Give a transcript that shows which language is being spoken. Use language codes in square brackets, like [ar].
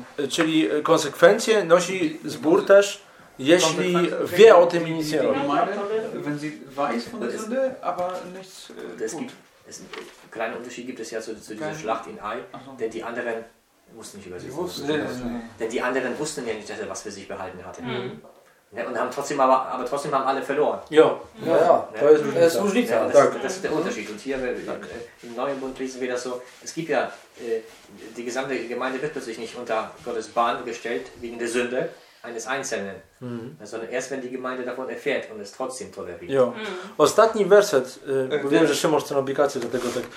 [pl] Czyli konsekwencje nosi zbór też, jeśli wie o tym nic nie robi. [de] Wenn sie weiß von der Sünde, aber nichts tut. Einen kleinen Unterschied gibt es ja zu dieser Schlacht in Ai, denn die anderen wussten nicht über sich. Denn die anderen wussten ja nicht, dass er was für sich behalten hatte. Mhm. Und haben trotzdem aber trotzdem haben alle verloren. Das ist der Unterschied. Und hier im Neuen Bund lesen wir das so: Es gibt ja die gesamte Gemeinde wird plötzlich nicht unter Gottes Bahn gestellt wegen der Sünde eines Einzelnen, sondern erst wenn die Gemeinde davon erfährt und es trotzdem toleriert. Jo. [pl] Ostatni werset, bo wiem, że Szymon chce obligację do tego tak.